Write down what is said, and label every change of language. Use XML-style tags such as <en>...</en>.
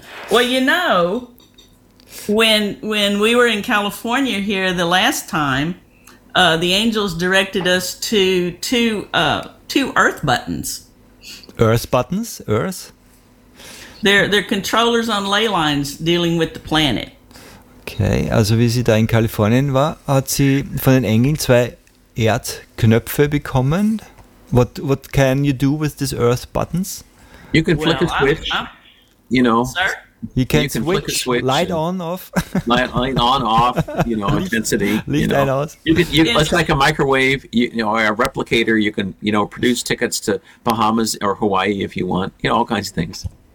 <en>Well, you know, when we were in California here the last time, the angels directed us to two earth buttons. Earth buttons? Earth? They're controllers on ley lines dealing with the planet.</en> <de>Okay, also wie sie da in Kalifornien war, hat sie von den Engeln zwei Erdknöpfe bekommen.</de> <en>What can you do with these earth buttons? You can flick a switch. You know, sir? You can switch, flick a switch, light on, off, light on, off, you know, intensity, leave you know. That off. It's like a microwave, you know, or a replicator. You can, you know, produce tickets to Bahamas or Hawaii if you want, you know, all kinds of things.</en>